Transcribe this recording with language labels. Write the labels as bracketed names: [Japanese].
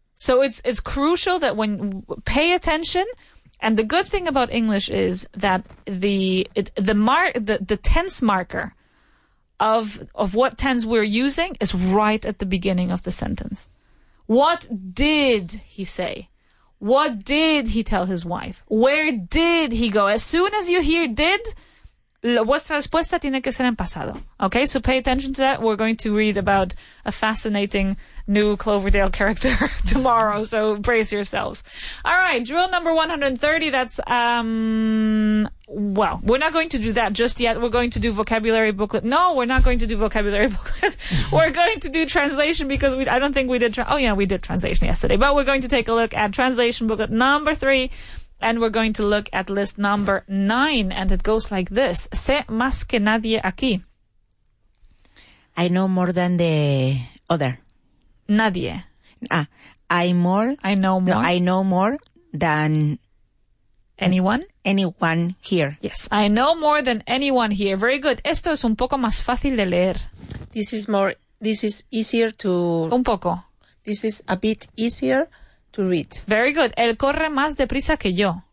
[English] So it's crucial that when pay attention. And the good thing about English is that the tense marker of what tense we're using is right at the beginning of the sentence. What did he say? What did he tell his wife? Where did he go? As soon as you hear did, [Spanish] vuestra respuesta tiene que ser en pasado. [English] Okay, so pay attention to that. We're going to read about a fascinating new Cloverdale character tomorrow, so brace yourselves. All right, drill number 130. That's, we're not going to do that just yet. We're going to do vocabulary booklet. No, we're not going to do vocabulary booklet. We're going to do translation because I don't think we did. We did translation yesterday, but we're going to take a look at translation booklet number 3. And we're going to look at list number 9. And it goes like this. [Spanish] Sé más que nadie aquí. [English] I know more than the other. [Spanish] Nadie. [English] I know more. No, I know more than... anyone? Anyone here. Yes. I know more than anyone here. Very good. [Spanish] Esto es un poco más fácil de leer. [English] This is easier to... [Spanish] Un poco. [English] This is a bit easier... to read. Very good. [Spanish] Él corre más deprisa que yo.